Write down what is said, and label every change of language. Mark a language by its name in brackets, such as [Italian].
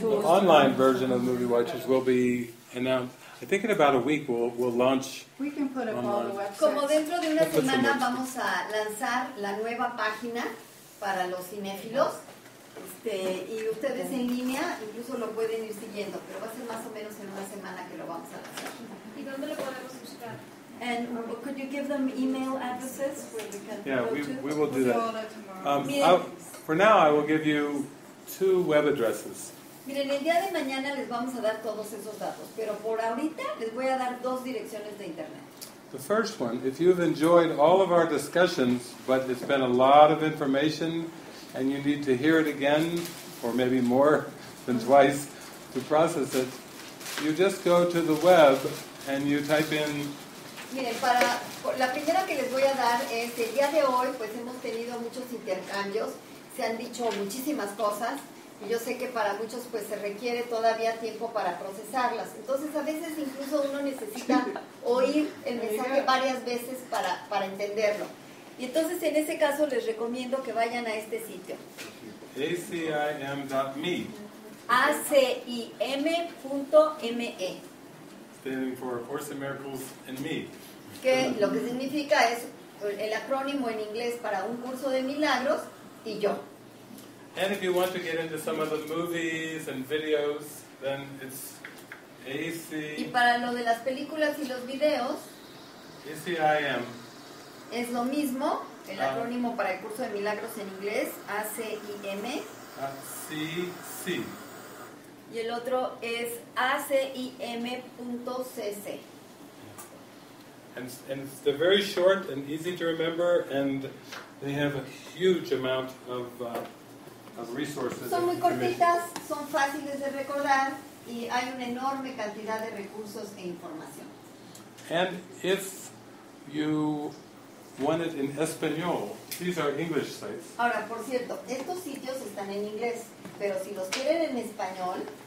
[English] The online version of Movie Watchers will be announced. I think in about a week we'll launch. We can put up online. All the websites. [Spanish] Como dentro de una semana vamos a lanzar la nueva página para los cinéfilos, y ustedes en línea incluso lo pueden ir siguiendo, pero va a ser más o menos en una semana que lo vamos a lanzar. ¿Y dónde lo podemos buscar? [English] And could you give them email addresses where we can Yeah, we will do that. For now, I will give you two web addresses. [Spanish] Miren, el día de mañana les vamos a dar todos esos datos, pero por ahorita les voy a dar dos direcciones de internet. [English] The first one, if you've enjoyed all of our discussions, but it's been a lot of information, and you need to hear it again, or maybe more than twice, to process it, you just go to the web and you type in. [Spanish] Miren, para la primera que les voy a dar es el día de hoy, pues hemos tenido muchos intercambios, se han dicho muchísimas cosas. Y yo sé que para muchos pues se requiere todavía tiempo para procesarlas. Entonces a veces incluso uno necesita oír el mensaje varias veces para entenderlo. Y entonces en ese caso les recomiendo que vayan a este sitio. [English] acim.me acim.me Standing for A Course in Miracles and Me. [Spanish] Que lo que significa es el acrónimo en inglés para Un Curso de Milagros y yo. [English] And if you want to get into some of the movies and videos, then it's AC. [Spanish] Y para lo de las películas y los videos, [English] ACIM. [Spanish] Es lo mismo, el acrónimo para el curso de milagros en inglés, ACIM. [English] ACC. [Spanish] Y el otro es ACIM.cc. [English] And they're very short and easy to remember, and they have a huge amount of resources. [Spanish] Son muy cortitas, son fáciles de recordar y hay una enorme cantidad de recursos e información. [English] And if you want it in español, these are English sites. [Spanish] Ahora, por cierto, estos sitios están en inglés, pero si los quieren en español,